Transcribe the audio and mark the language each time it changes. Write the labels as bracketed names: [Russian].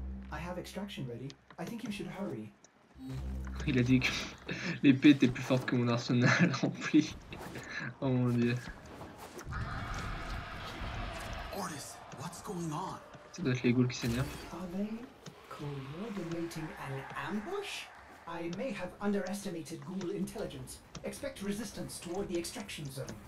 [English] I have extraction ready. I think you should hurry. [French] Il a dit que l'épée était plus forte que mon arsenal rempli. Oh mon dieu. [English] Ortis, what's going on? [French] Ça doit être les ghouls qui s'énervent. [English] Are they coordinating an ambush? I may have underestimated ghoul intelligence. Expect resistance toward the extraction zone.